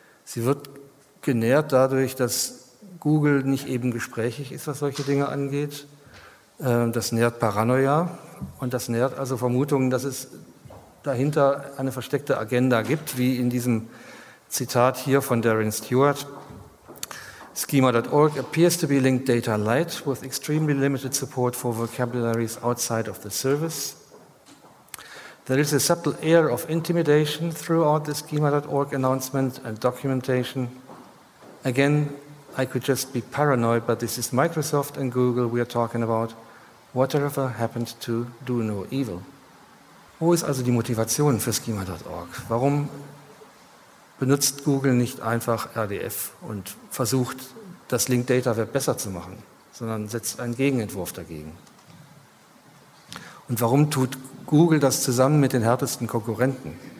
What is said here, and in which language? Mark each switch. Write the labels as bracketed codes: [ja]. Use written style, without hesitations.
[de] Sie wird genährt dadurch, dass Google nicht eben gesprächig ist, was solche Dinge angeht. Das nährt Paranoia und das nährt also Vermutungen, dass es dahinter eine versteckte Agenda gibt, wie in diesem Zitat hier von Darren Stewart. [en] Schema.org appears to be linked data light with extremely limited support for vocabularies outside of the service. There is a subtle air of intimidation throughout the schema.org announcement and documentation. Again, I could just be paranoid, but this is Microsoft and Google we are talking about. Whatever happened to do no evil? [de] Wo ist also die Motivation für schema.org? Warum benutzt Google nicht einfach RDF und versucht, das Linked Data Web besser zu machen, sondern setzt einen Gegenentwurf dagegen? Und warum tut Google das zusammen mit den härtesten Konkurrenten?